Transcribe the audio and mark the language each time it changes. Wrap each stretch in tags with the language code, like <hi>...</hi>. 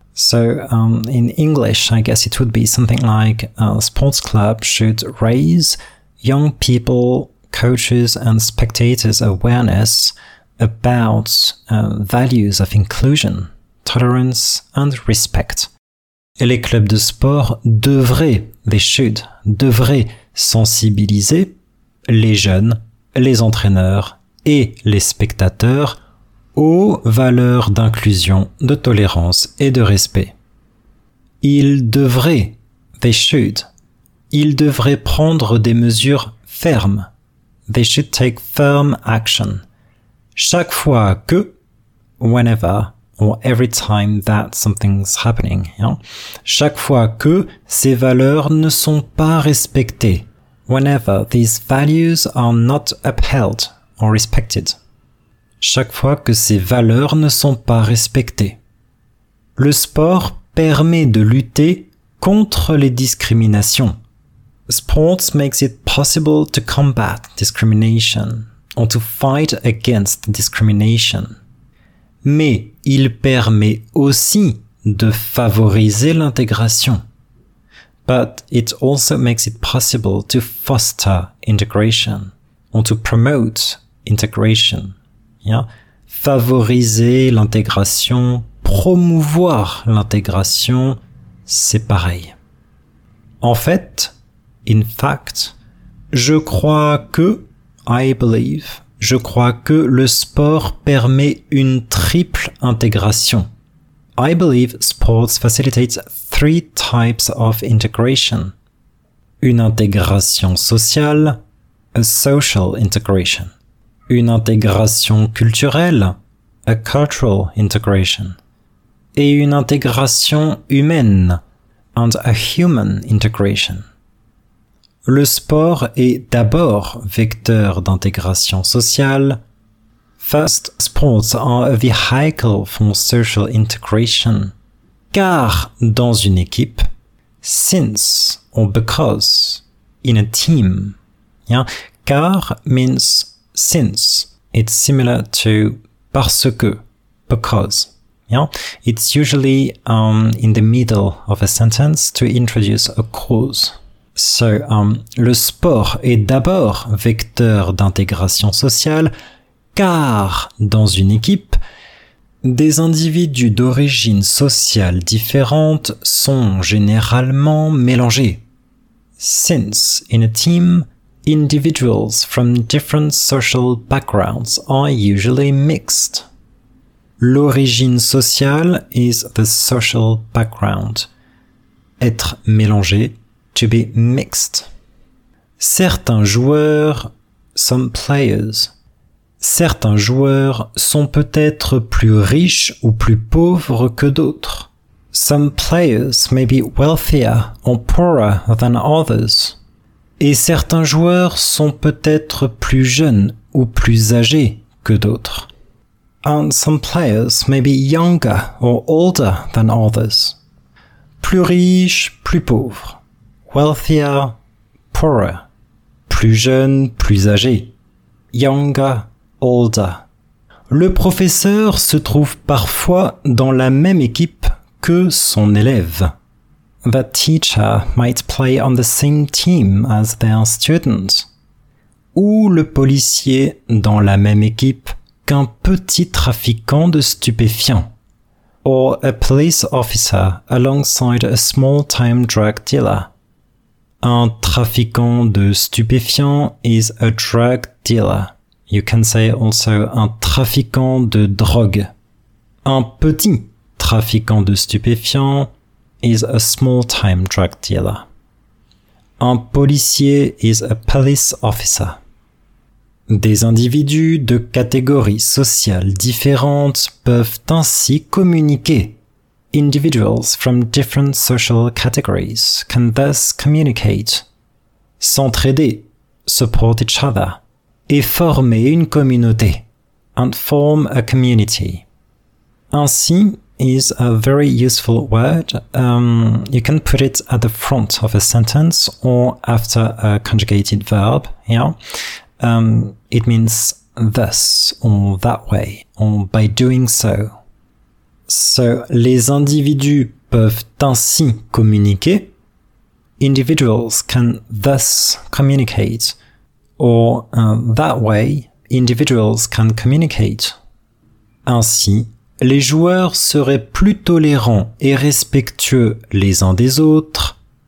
<en>So in English, I guess it would be something like a sports club should raise young people, coaches and spectators' awareness about values of inclusion, tolerance and respect.</en> <fr>Et les clubs de sport devraient,</fr> <en>they should,</en> <fr>devraient sensibiliser les jeunes, les entraîneurs et les spectateurs aux valeurs d'inclusion, de tolérance et de respect. Ils devraient,</fr> <en>they should,</en> <fr>ils devraient prendre des mesures fermes,</fr> <en>they should take firm action,</en> <fr>chaque fois que,</fr> <en>whenever, or every time that something's happening, yeah?</en> <fr>Chaque fois que ces valeurs ne sont pas respectées,</fr> <en>whenever these values are not upheld or respected.</en> <fr>Chaque fois que ces valeurs ne sont pas respectées. Le sport permet de lutter contre les discriminations.</fr> <en>Sports makes it possible to combat discrimination or to fight against discrimination.</en> <fr>Mais il permet aussi de favoriser l'intégration.</fr> <en>But it also makes it possible to foster integration or to promote integration. Yeah.</en> <fr>Favoriser l'intégration, promouvoir l'intégration, c'est pareil. En fait,</fr> <en>in fact,</en> <fr>je crois que,</fr> <en>I believe,</en> <fr>je crois que le sport permet une triple intégration.</fr> <en>I believe sports facilitates three types of integration.</en> <fr>Une intégration sociale,</fr> <en>a social integration.</en> <fr>Une intégration culturelle,</fr> <en>a cultural integration.</en> <fr>Et une intégration humaine,</fr> <en>and a human integration.</en> <fr>Le sport est d'abord vecteur d'intégration sociale.</fr> <en>First, sports are a vehicle for social integration.</en> <fr>Car dans une équipe,</fr> <en>since or because, in a team. Yeah? Car means since. It's similar to</en> <fr>parce que,</fr> <en>because. Yeah? It's usually in the middle of a sentence to introduce a cause.</en> <fr>So, le sport est d'abord vecteur d'intégration sociale, car dans une équipe, des individus d'origine sociale différente sont généralement mélangés.</fr> <en>Since, in a team, individuals from different social backgrounds are usually mixed.</en> <fr>L'origine sociale</fr> <en>is the social background.</en> <fr>Être mélangé.</fr> <en>To be mixed.</en> <fr>Certains joueurs,</fr> <en>some players,</en> <fr>certains joueurs sont peut-être plus riches ou plus pauvres que d'autres.</fr> <en>Some players may be wealthier or poorer than others.</en> <fr>Et certains joueurs sont peut-être plus jeunes ou plus âgés que d'autres.</fr> <en>And some players may be younger or older than others.</en> <fr>Plus riches, plus pauvres.</fr> <en>Wealthier, poorer.</en> <fr>Plus jeune, plus âgé.</fr> <en>Younger, older.</en> <fr>Le professeur se trouve parfois dans la même équipe que son élève.</fr> <en>The teacher might play on the same team as their student.</en> <fr>Ou le policier dans la même équipe qu'un petit trafiquant de stupéfiants.</fr> <en>Or a police officer alongside a small-time drug dealer.</en> <fr>Un trafiquant de stupéfiants</fr> <en>is a drug dealer. You can say also</en> <fr>un trafiquant de drogue. Un petit trafiquant de stupéfiants</fr> <en>is a small-time drug dealer.</en> <fr>Un policier</fr> <en>is a police officer.</en> <fr>Des individus de catégories sociales différentes peuvent ainsi communiquer.</fr> <en>Individuals from different social categories can thus communicate,</en> <fr>s'entraider,</fr> <en>support each other,</en> <fr>et former une communauté,</fr> <en>and form a community. Ainsi is a very useful word. You can put it at the front of a sentence or after a conjugated verb. Yeah? It means thus or that way or by doing so.</en> <fr>So, les individus peuvent ainsi communiquer.</fr> <en>Individuals can thus communicate. Or that way, individuals can communicate.</en> <fr>Ainsi, les joueurs seraient plus tolérants et respectueux les uns des autres.</fr>